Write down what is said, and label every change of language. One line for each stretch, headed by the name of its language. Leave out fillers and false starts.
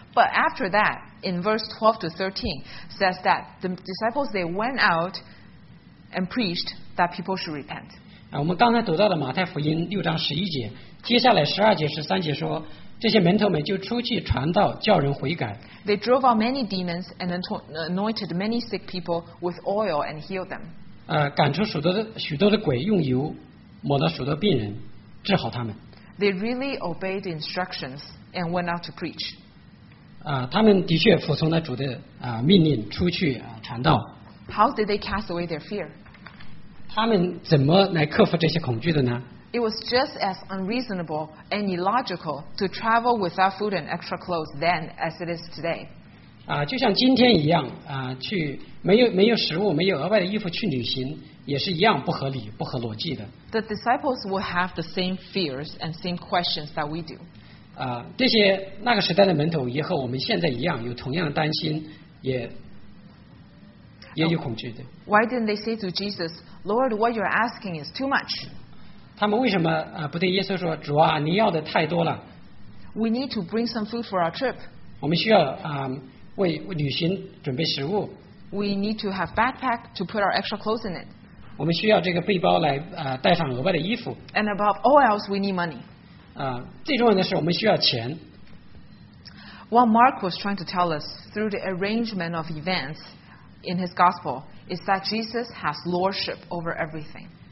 English: But after that, in verse 12 to 13, says that the disciples, they went out and preached that people should repent.
Chinese: 我们刚才读到的马太福音六章十一节，接下来十二节、十三节说，这些门徒们就出去传道，叫人悔改。
English: They drove out many demons and anointed many sick people with oil and healed them.
Chinese: 赶出许多的鬼，用油抹了许多病人，治好他们。
English: They really obeyed instructions and went out to preach.
Chinese: 他们的确服从了主的命令，出去传道。
English: How did they cast away their fear?
Chinese: 他们怎么来克服这些恐惧的呢？
English: It was just as unreasonable and illogical to travel without food and extra clothes then as it is today.
Chinese: 就像今天一样去没有食物、没有额外的衣服去旅行，也是一样不合理、不合逻辑的。
English: The disciples will have the same fears and same questions that we do.
Chinese: 这些那个时代的门徒也和我们现在一样，有同样的担心，也也有恐惧的。
English: Why didn't they say to Jesus, Lord, what you're asking is too much?
Chinese: 他们为什么不对耶稣说，主啊，你要的太多了。
English: We need to bring some food for our trip.
Chinese: 我们需要为旅行准备食物。
English: We need to have backpack to put our extra clothes in it.
Chinese: 我们需要这个背包来带上额外的衣服。
English: And above all else, we need money.
Chinese: 最重要的是我们需要钱。
English: What Mark was trying to tell us through the arrangement of events in his gospel is that Jesus has lordship over everything.